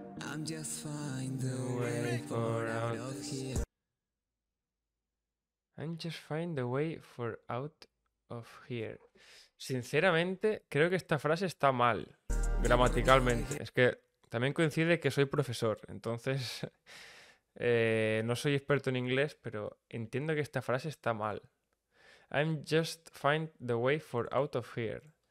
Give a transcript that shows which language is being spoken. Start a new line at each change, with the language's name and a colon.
English: I'm just find the way for out of here. I'm just find the way for out of here.
Spanish: Sinceramente, creo que esta frase está mal gramaticalmente. Es que también coincide que soy profesor, entonces no soy experto en inglés, pero entiendo que esta frase está mal.
English: I'm just find the way for out of here.